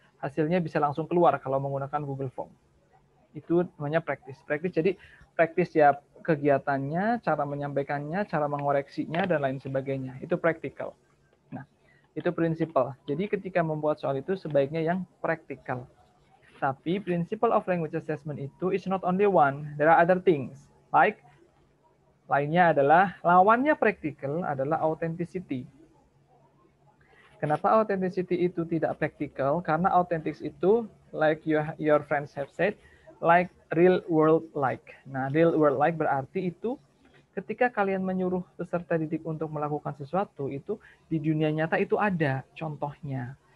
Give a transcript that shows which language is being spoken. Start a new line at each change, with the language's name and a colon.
Indonesian: Hasilnya bisa langsung keluar kalau menggunakan Google Form. Itu namanya practice. Practice, jadi practice ya kegiatannya, cara menyampaikannya, cara mengoreksinya, dan lain sebagainya. Itu practical. Nah, itu principle. Jadi ketika membuat soal itu sebaiknya yang practical.
English: Tapi principle of language assessment itu is not only one, there are other things.
Indonesian: Like, lainnya adalah lawannya practical adalah authenticity. Kenapa authenticity itu tidak practical? Karena authentic itu,
English: like your friends have said, like real world like.
Indonesian: Nah,
English: real world like
Indonesian: berarti itu ketika kalian menyuruh peserta didik untuk melakukan sesuatu, itu di dunia nyata itu ada contohnya.